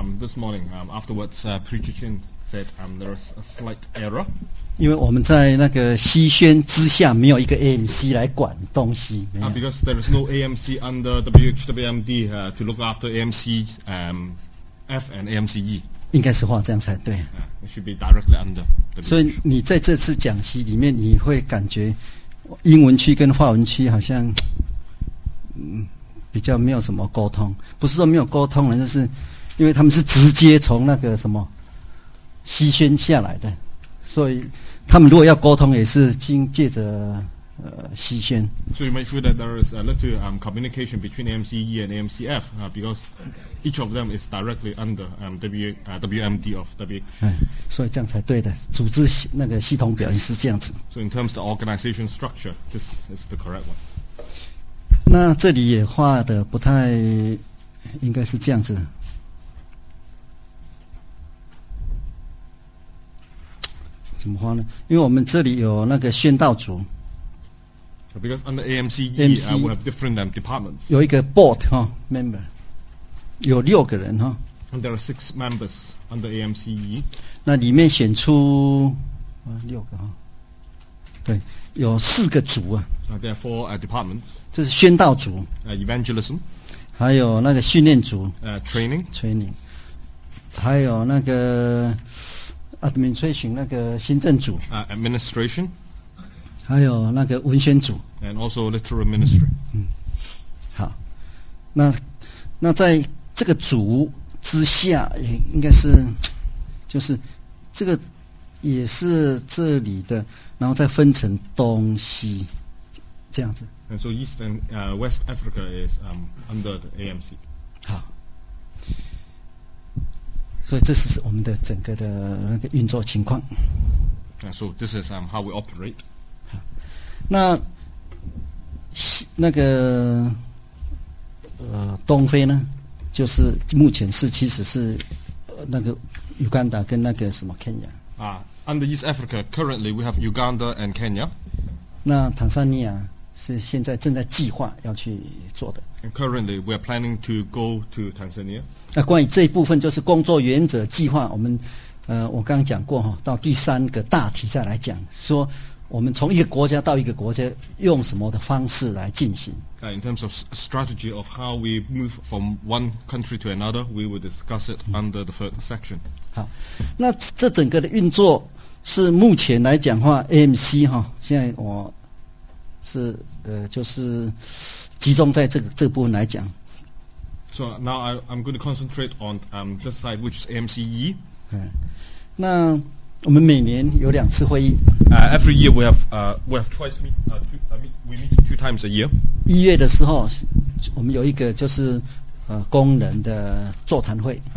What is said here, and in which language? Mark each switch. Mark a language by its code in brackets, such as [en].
[en] this morning, afterwards, Preacher Chin said there is a slight error. [zh] 因为我们在那个西宣之下没有一个 AMC 来管东西。 [en] Because there is no AMC under WHWMD to look after AMC F and AMCE. [zh] 应该是话这样才对。 [en] It should be directly under WH. [zh] 所以你在这次讲习里面，你会感觉英文区跟法文区好像比较没有什么沟通，不是说没有沟通了，就是因为他们是直接从那个什么西宣下来的。所以他们如果要沟通，也是经借着西宣。 [en] So you may feel that there is a little communication between AMCE and AMCF because each of them is directly under WMD of WH. [zh] 所以这样才对的，组织那个系统表现是这样子。 [en] So in terms of organization structure, this is the correct one. [zh] 那这里也画的不太，应该是这样子。怎么画呢？因为我们这里有那个宣道组。 [en] Because under AMC, we have different departments. [zh] 有一个 board 哈 ，member， 有六个人哈。 [en] And there are six members under AMCE. [zh] 那里面选出六个哈，对，有四个组啊。 [en] There are four departments. [zh] 这是宣道组。 [en] Evangelism. [zh] 还有那个训练组。 [en] Training. Training. [zh] 还有那个 administration 那个行政组。 [en] Administration. [zh] 还有那个文宣组。 [en] And also literary ministry. [zh] 好，那在这个组之下，也应该是，就是这个也是这里的，然后再分成东西。这样子。 [en] And so East and West Africa is under the AMC. [zh] 好，所以这是我们的整个的那个运作情况。 [en] And so this is how we operate. [zh] 那那个东非呢，就是目前是其实是那个 Uganda 跟那个什么 Kenya. [en] Under East Africa, currently we have Uganda and Kenya. [zh] 那坦桑尼亚。是现在正在计划要去做的。 [en] And currently, we are planning to go to Tanzania. [zh] 那关于这一部分就是工作原则计划，我们我刚讲过哈，到第三个大题再来讲，说我们从一个国家到一个国家用什么的方式来进行。 [en] In terms of strategy of how we move from one country to another, we will discuss it under the third section. [zh] 好，那这整个的运作是目前来讲话 AMC 哈，现在我。是就是集中在这个部分来讲。 [en] So now I'm going to concentrate on this side, which is MCE. 嗯， [zh] 那我们每年有两次会议。 [en] Every year we have twice we meet two times a year. [zh] 一月的时候，我们有一个就是工人的座谈会。